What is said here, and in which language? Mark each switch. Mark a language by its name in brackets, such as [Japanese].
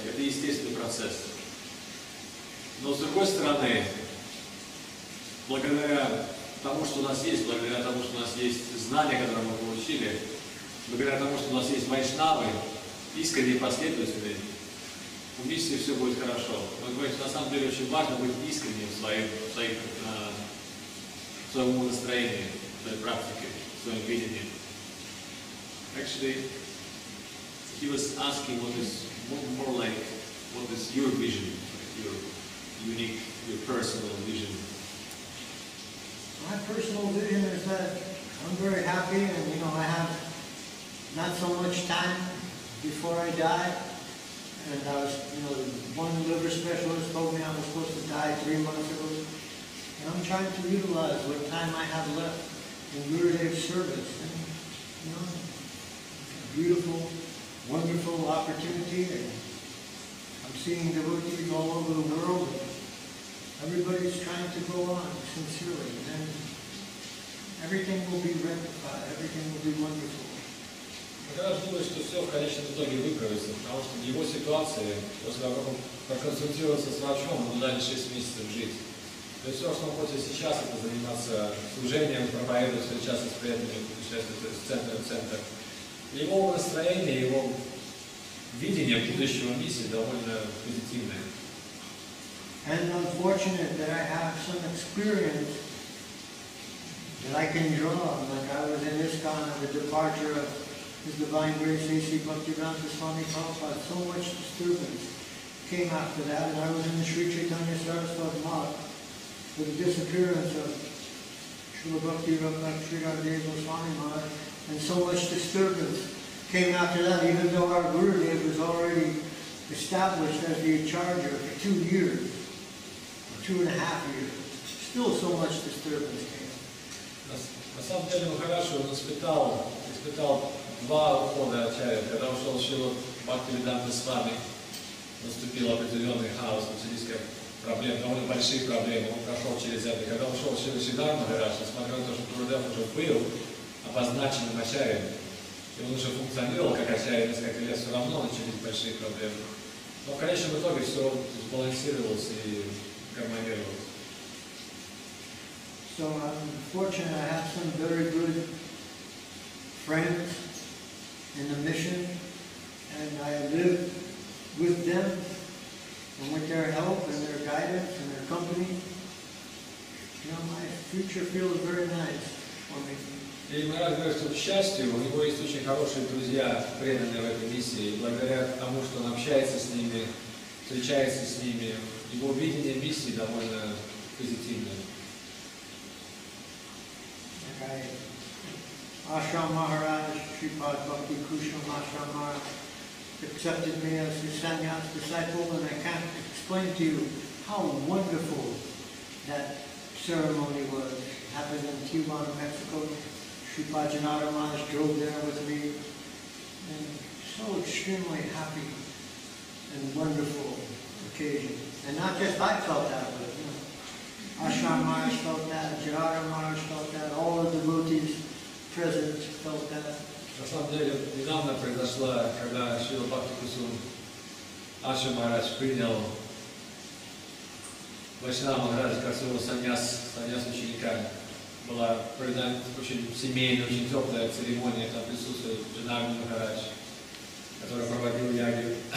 [Russian] Это естественный процесс. Но с другой стороны, благодаря тому, что у нас есть, благодаря тому, что у нас есть знания, которые мы получили, благодаря тому, что у нас есть вайшнавы, искренние последователи, в миссии все будет хорошо. Вы говорите, на самом деле очень важно быть искренним в своем настроении, в своей практике, в своем видении. [English] Actually, he was asking what is more like, what is your vision, your unique, your personal vision. My personal vision is that I'm very happy and, you know, I have not so much time before I die. And I was, you know, one liver specialist told me I was supposed to die 3 months ago. And I'm trying to utilize what time I have left in Gurudev's service. And, you know, beautiful, wonderful opportunity, and I'm seeing devotees all over the world, and everybody's trying to go on sincerely, and then everything will be rectified, everything will be wonderful. [Russian] Махарадж думает, что все в конечном итоге выправится, потому что в его ситуации, после того, как он проконсультировался с врачом, он дальше 6 месяцев жить. То есть все, что он хочет сейчас, это заниматься служением, проповедовать, встречаться с преданными, путешествовать из центра в центр. Его настроение, его видение будущего миссии довольно позитивное. [English] And unfortunate that I have some experience that I can draw on. Like I was in ISKCON at the departure of His Divine Grace A.C. Bhaktivedanta Swami Prabhupada. So much disturbance came after that. And I was in the Sri Chaitanya Saraswati Mark for the disappearance of Srila Bhakti Ramana Sridharadeva Swami Mark. And so much disturbance came after that, even though our Gurudev was already established as the Acharya for 2 years, 2.5 years. Still so much disturbance came. [Russian] На самом деле Махарадж испытал два ухода Ачарьи. Когда ушел Шрила Бхактивиданта Свами, наступил определенный хаос, материнская проблема, довольно большие проблемы, он прошел через это. Когда ушел Шрила Сидар Махарадж, несмотря на то, что Гурудев уже был обозначенным Ачарьем, и он уже функционировал как Ачарья несколько лет, все равно начались большие проблемы. Но в конечном итоге все сбалансировалось и гармонировалось. [English] So I'm fortunate I have some very good friends in the mission, and I live with them and with their help and their guidance and their company. You know, my future feels very nice for me. [Russian] И мы рады, что к счастью, у него есть очень хорошие друзья, преданные в этой миссии. И благодаря тому, что он общается с ними, встречается с ними, его видение миссии довольно позитивное. [English] Ашрам Махарадж, Шрипад Бхакти Кушан Ашрам Махарадж, accepted me as his sannyas disciple, and I can't explain to you how wonderful that ceremony was. It happened in Tijuana, Mexico. Shripajanara Maharaj drove there with me, and so extremely happy and wonderful occasion. And not just I felt that, but you know, Ashram Maharaj felt that, Janara Maharaj felt that, all of the devotees present felt that. [Russian] На самом деле, недавно произошло, когда Шрила Бхакти Кусум Ашрам Махарадж принял Вайшнава Махарадж как своего саньяс ученика. Была проведена очень семейная, очень теплая церемония, там присутствует Чиангмай Махарадж, который проводил яги.